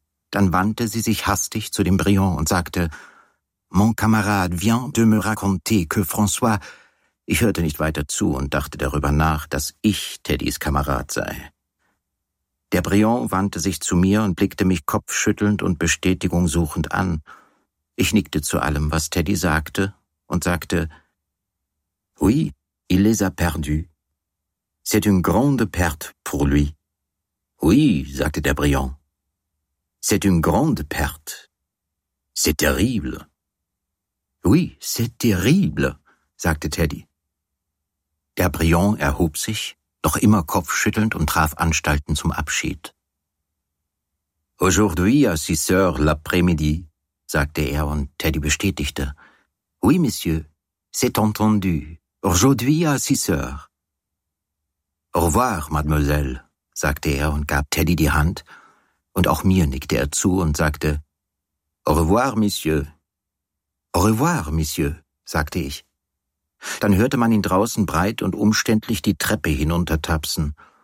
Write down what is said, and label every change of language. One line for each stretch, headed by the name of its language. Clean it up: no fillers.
German: Dann wandte sie sich hastig zu dem Brion und sagte, »
French: Mon camarade vient de me raconter que François...«
German: Ich hörte nicht weiter zu und dachte darüber nach, dass ich Teddys Kamerad sei. Der Brion wandte sich zu mir und blickte mich kopfschüttelnd und Bestätigung suchend an. Ich nickte zu allem, was Teddy sagte, und sagte, »
French: Oui, il les a perdus. C'est une grande perte pour lui.« »Oui«,
German: sagte der Brion.
French: »C'est une grande perte. C'est terrible.« »Oui, c'est terrible«,
German: sagte Teddy. Der Brion erhob sich, noch immer kopfschüttelnd, und traf Anstalten zum Abschied.
French: »Aujourd'hui, à 6 heures l'après-midi«,
German: sagte er, und Teddy bestätigte.
French: »Oui, monsieur, c'est entendu. Aujourd'hui, à 6 heures.« » Au revoir, mademoiselle«,
German: sagte er und gab Teddy die Hand, und auch mir nickte er zu und sagte, »
French: Au revoir, monsieur.«
German: »Au revoir, monsieur«, sagte ich. Dann hörte man ihn draußen breit und umständlich die Treppe hinuntertapsen.